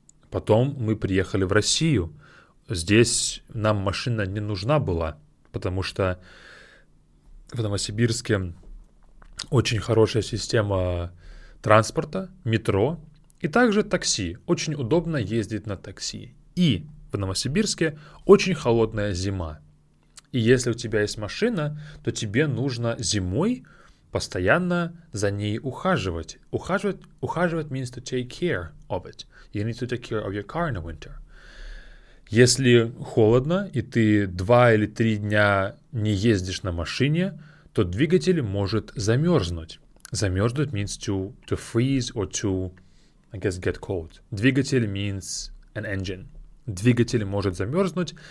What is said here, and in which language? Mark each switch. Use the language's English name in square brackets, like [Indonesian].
[Russian] Потом мы приехали в Россию. Здесь нам машина не нужна была, потому что в Новосибирске очень хорошая система транспорта, метро и также такси. Очень удобно ездить на такси. И в Новосибирске очень холодная зима. И если у тебя есть машина, то тебе нужно зимой постоянно за ней ухаживать. Ухаживать [English] means to take care of it. You need to take care of your car in the winter. [Russian] Если холодно, и ты 2 или 3 дня не ездишь на машине, то двигатель может замерзнуть. Замерзнуть [English] means to freeze or to, I guess, get cold. [Russian] Двигатель [English] means an engine. [Russian] Двигатель может замерзнуть.